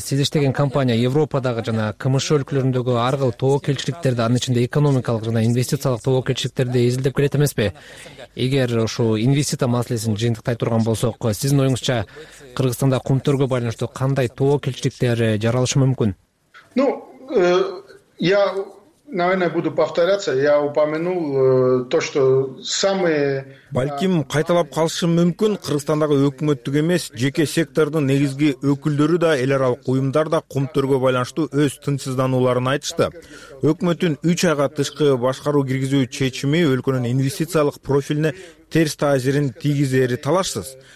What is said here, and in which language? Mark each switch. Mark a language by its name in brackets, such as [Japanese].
[Kyrgyz] Сиз иштеген компания Европадагы жана КМШ өлкөлөрүндөгү ар кыл тобокелчиликтерди, анын ичинде экономикалык жана инвестициялык тобокелчиликтерди изилдеп келет эмеспи? Эгер ушу инвестиция маселесин жыйынтыктай турган болсок, сиздин оюңузча Кыргызстанда кумтөргө байланыштуу кандай тобокелчиликтер жаралышы мүмкүн? [Russian] Ну, я, наверное, буду повторяться. Я упомянул то, что самые... [Kyrgyz] Балким кайталап калышым мүмкүн, Кыргызстандагы өкмөттүк эмес жеке сектордун негизги өкүлдөрү да, эл аралык уюмдар да кумтөргө байланыштуу өз тынчсыздануларын айтышты. Өкмөттүн 3 айга тышкы башкаруу киргизүү чечими өлкөнүн инвестициялык профилине терс таасирин тийгизери талашсыз.